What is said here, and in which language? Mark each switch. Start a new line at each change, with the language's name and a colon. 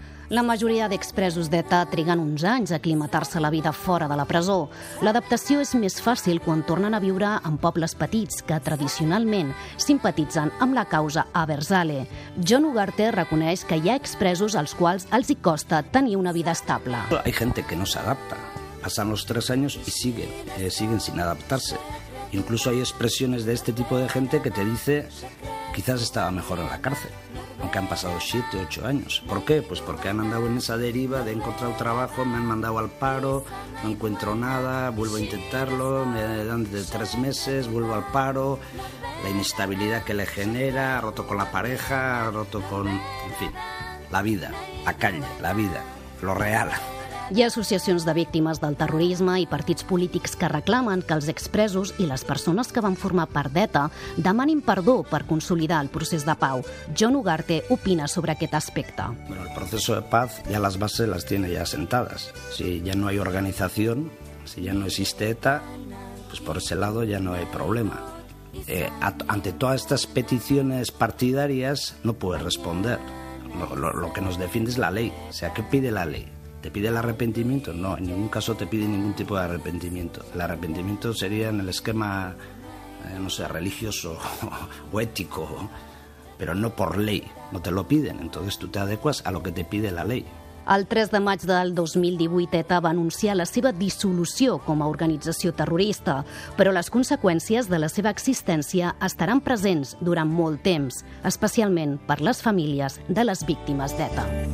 Catalan: La majoria d'expresos d'ETA triguen uns anys a aclimatar-se a la vida fora de la presó. L'adaptació és més fàcil quan tornen a viure en pobles petits que tradicionalment simpatitzen amb la causa Abertzale. John Ugarte reconeix que hi ha expresos als quals els hi costa tenir una vida estable.
Spanish: Hay gente que no se adapta. Pasan los tres años y siguen sin adaptarse. Incluso hay expresiones de este tipo de gente que te dice quizás estaba mejor en la cárcel, aunque han pasado 7-8 años. ¿Por qué? Pues porque han andado en esa deriva de he encontrado trabajo, me han mandado al paro, no encuentro nada, vuelvo a intentarlo, me dan de 3 meses, vuelvo al paro, la inestabilidad que le genera, roto con la pareja, roto con... En fin, la vida, la calle, la vida, lo real.
Catalan: Hi ha associacions de víctimes del terrorisme i partits polítics que reclamen que els expresos i les persones que van formar part d'ETA demanin perdó per consolidar el procés de pau. John Ugarte opina sobre aquest aspecte. Bueno, el procés de pau ja les bases les
Spanish: tiene ya sentadas. Si ya no hay organización, si ya no existe ETA, pues por ese lado ya no hay problema. Ante todas estas peticiones partidarias no puedes responder. Lo que nos defiende es la ley. O sea, ¿qué pide la ley? ¿Te pide el arrepentimiento? No, en ningún caso te pide ningún tipo de arrepentimiento. El arrepentimiento sería en el esquema, no sé, religioso o ético, pero no por ley. No te lo piden, entonces tú te adecuas a lo que te pide la ley.
Catalan: El 3 de maig del 2018, ETA va anunciar la seva dissolució com a organització terrorista, però les conseqüències de la seva existència estaran presents durant molt temps, especialment per les famílies de les víctimes d'ETA.